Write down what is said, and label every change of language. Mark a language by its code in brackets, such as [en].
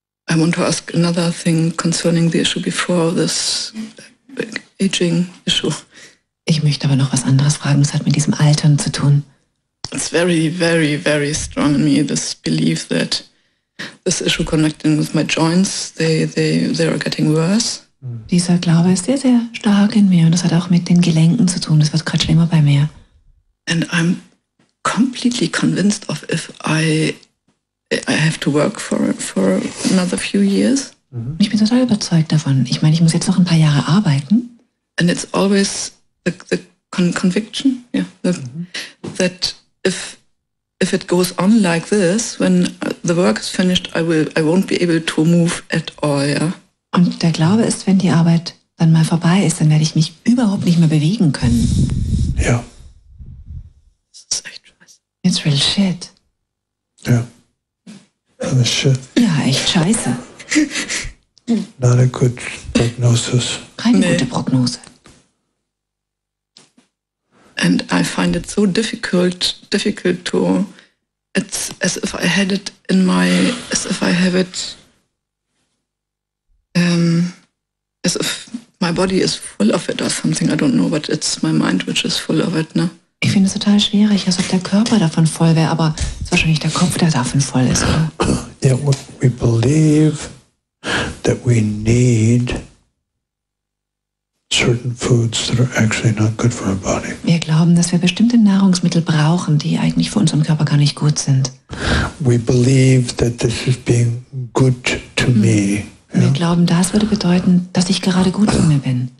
[en] I want to ask another thing concerning the issue before this aging issue. [de] Ich möchte aber noch was anderes fragen, das hat mit diesem Altern zu tun. [en] It's very, very, very strong in me, this belief that this issue connecting with my joints, they are getting worse. [de] Dieser Glaube ist sehr, sehr stark in mir und das hat auch mit den Gelenken zu tun. Das wird gerade schlimmer bei mir. [en] And I'm completely convinced of if I have to work for another few years. [de] Ich bin total überzeugt davon. Ich meine, ich muss jetzt noch ein paar Jahre arbeiten. [en] And it's always the conviction, yeah, that if it goes on like this, when the work is finished, I won't be able to move at all, yeah. [de] Und der Glaube ist, wenn die Arbeit dann mal vorbei ist, dann werde ich mich überhaupt nicht mehr bewegen können. Ja. Das ist echt scheiße. [en] It's real shit. [de] Ja. Das ist shit. Ja, echt scheiße. [en] Not a good prognosis. [de] Keine gute Prognose. [en] And I find it so difficult to... It's as if I had it in my... As if I have it... as if my body is full of it or something, I don't know, but it's my mind which is full of it, ne? [de] Ich finde es total schwierig, als ob der Körper davon voll wäre, aber es ist wahrscheinlich der Kopf, der davon voll ist, oder? [en] Yeah, we believe that we need certain foods that are actually not good for our body. [de] Wir glauben, dass wir bestimmte Nahrungsmittel brauchen, die eigentlich für unseren Körper gar nicht gut sind. [en] We believe that this is being good to me. [de] Wir glauben, das würde bedeuten, dass ich gerade gut zu mir bin.